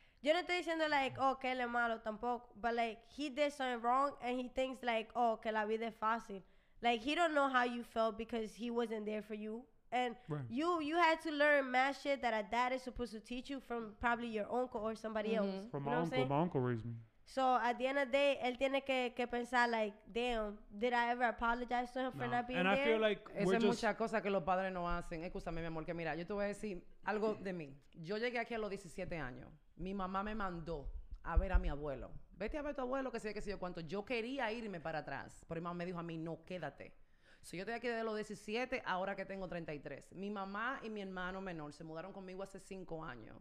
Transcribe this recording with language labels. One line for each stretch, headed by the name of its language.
Spanish: Yo no estoy diciendo, like, oh, que él es malo tampoco.
English: But, like, he did something wrong and he thinks, like, oh,
Spanish: que la vida es fácil.
English: Like, he don't know how you felt because he wasn't there for you. And you had to learn mad shit that a dad is supposed to teach you from probably your uncle or somebody else. From you know my uncle. My uncle raised me. So, at the end of the day,
Spanish: él tiene que pensar,
English: like, damn, did I ever apologize to him for not being and there? And I feel like we're just...
Spanish: es mucha cosa que los padres no hacen. Escúchame, mi amor, que mira, yo te voy a decir algo de mí. Yo llegué aquí a los 17 años. Mi mamá me mandó a ver a mi abuelo. Vete a ver a tu abuelo, que sé yo cuánto. Yo quería irme para atrás, pero mi mamá me dijo a mí, no, quédate. So yo estoy aquí desde los 17, ahora que tengo 33. Mi mamá y mi hermano menor se mudaron conmigo hace 5 años.